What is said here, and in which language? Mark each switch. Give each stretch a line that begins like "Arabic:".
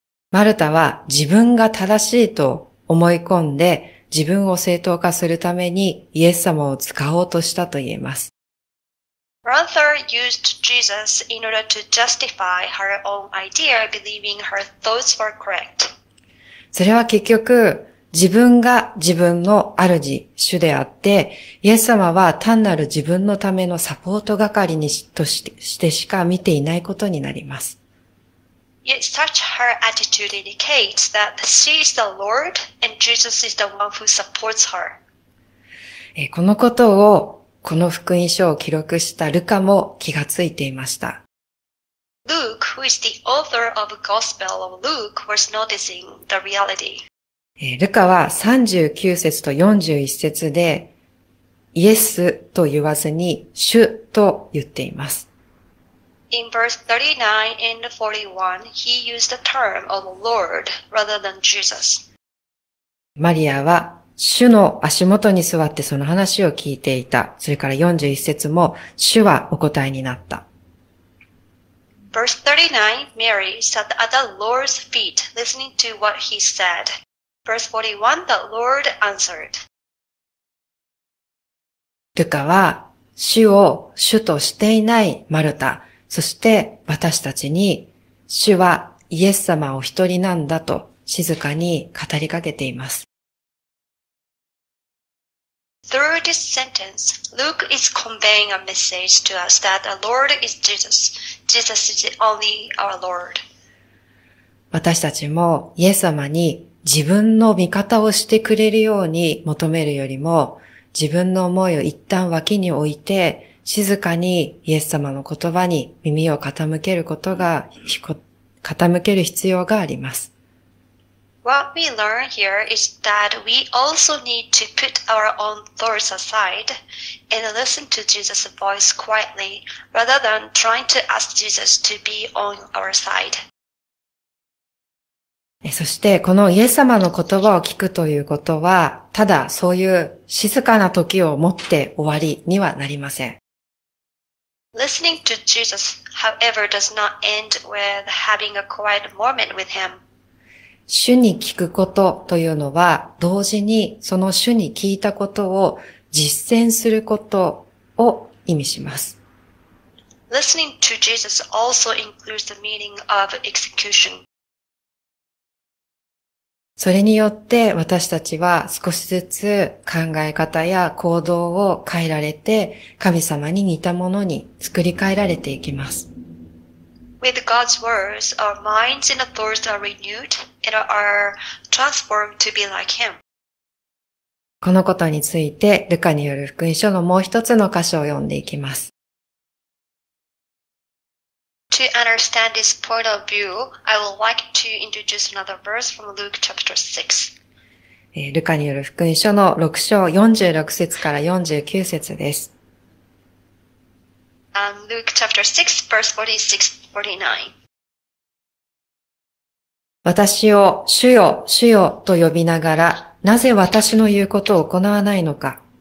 Japanese: マルタは自分が正しいと思い込んで自分を正当化するためにイエス様を使おうとしたと言えます。
English: Martha used Jesus in order to justify her own idea, believing her thoughts were correct.
Japanese: それは結局、自分が自分の主、主であって、イエス様は単なる自分のためのサポート係にしてしか見ていないことになります。
English: Yet such her attitude indicates that she is the Lord and Jesus is the one who supports her.
Japanese: このことをこの福音書を記録したルカも気がついていました。
English: Luke, who is the author of the Gospel of Luke, was noticing the reality.
Japanese: ルカは39節と41節でイエスと言わずに主と言っています。
English: In verse 39 and 41, he used the term of Lord rather than Jesus.
Japanese: マリアは主の足元に座ってその話を聞いていた。それから41節も主はお答えになった。
English: Verse 39, Mary sat at the Lord's feet, listening to what he said. Verse 41, the Lord answered.
Japanese: ルカは主を主としていないマルタ、そして私たちに主はイエス様お一人なんだと静かに語りかけています。
English: Through this sentence, Luke is conveying a message to us that the Lord is Jesus. Jesus is only our Lord.
Japanese: 私たちもイエス様に自分の味方をしてくれるように求めるよりも、自分の思いを一旦脇に置いて、静かにイエス様の言葉に耳を傾けることが、傾ける必要があります。
English: What we learn here is that we also need to put our own thoughts aside and listen to Jesus' voice quietly rather than trying to ask Jesus to be on our side.
Japanese: そしてこのイエス様の言葉を聞くということは、ただそういう静かな時を持って終わりにはなりません。
English: Listening to Jesus, however, does not end with having a quiet moment with him.
Japanese: 主に聞くことというのは、同時にその主に聞いたことを実践することを意味します。
English: Listening to Jesus also includes the meaning of execution.
Japanese: それによって私たちは少しずつ考え方や行動を変えられて、神様に似たものに作り変えられていきます。
English: With God's words, our minds and thoughts are renewed and are transformed to be like Him.
Japanese: このことについて、ルカによる福音書のもう一つの箇所を読んでいきます。
English: To understand this point of view, I would like to introduce another verse from Luke chapter 6.
Japanese: ルカによる福音書の6章46節から49節です。
English: Luke chapter 6, verse 46-49.
Japanese: 私を主よ、主よと呼びながら、なぜ私の言うことを行わないのか。